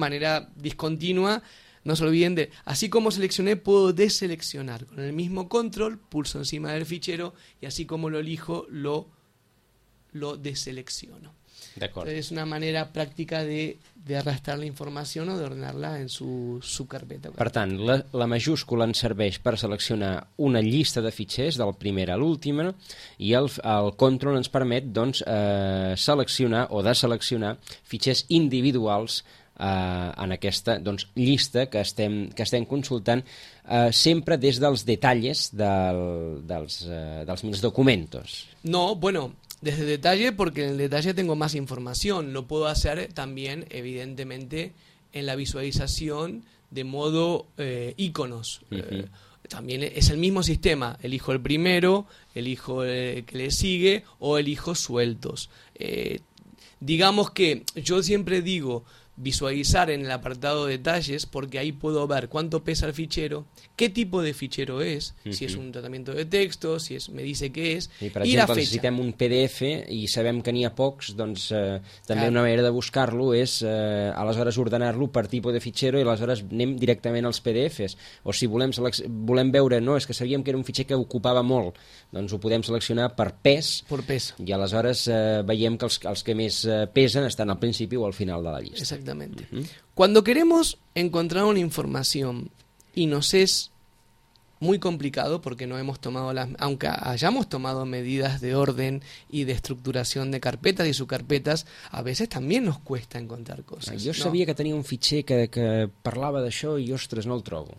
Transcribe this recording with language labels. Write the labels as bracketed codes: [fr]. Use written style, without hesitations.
[es] Manera discontinua, no se olviden de... Así como seleccioné, puedo deseleccionar. Con el mismo control, pulso encima del fichero y así como lo elijo, lo deselecciono. De acuerdo. Entonces, es una manera práctica de arrastrar la información o de ordenarla en su carpeta. [ca] Per tant, la majúscula ens serveix per seleccionar una llista de fitxers del primer a l'última i el control ens permet doncs, seleccionar o deseleccionar fitxers individuals en aquesta doncs, llista que estem consultant sempre des dels detalls dels meus documents. [es] No, bueno... Desde el detalle, porque en el detalle tengo más información. Lo puedo hacer también, evidentemente, en la visualización de modo iconos. Uh-huh. También es el mismo sistema. Elijo el primero, elijo el que le sigue o elijo sueltos. Digamos que yo siempre digo visualizar en el apartado de detalles porque ahí puedo ver cuánto pesa el fichero, qué tipo de fichero es, uh-huh. Si es un tratamiento de texto, si es me dice qué es [ca] i, per i exemple, [es] la fecha. [ca] Necessitem un PDF i sabem que n'hi ha pocs, doncs també una manera de buscar-lo és aleshores ordenar-lo per tipus de fichero i aleshores anem directament als PDFs. O si volem veure, no, és que sabíem que era un fitxer que ocupava molt, doncs ho podem seleccionar per pes. [es] Por pes. [ca] I aleshores veiem que els que més pesen estan al principi o al final de la llista. [es] Exactamente. Uh-huh. Cuando queremos encontrar una información y nos es muy complicado porque no hemos tomado aunque hayamos tomado medidas de orden y de estructuración de carpetas y subcarpetas, a veces también nos cuesta encontrar cosas. Yo ¿no? sabía que tenía un fiché que parlaba de eso y ostras, no lo trobo.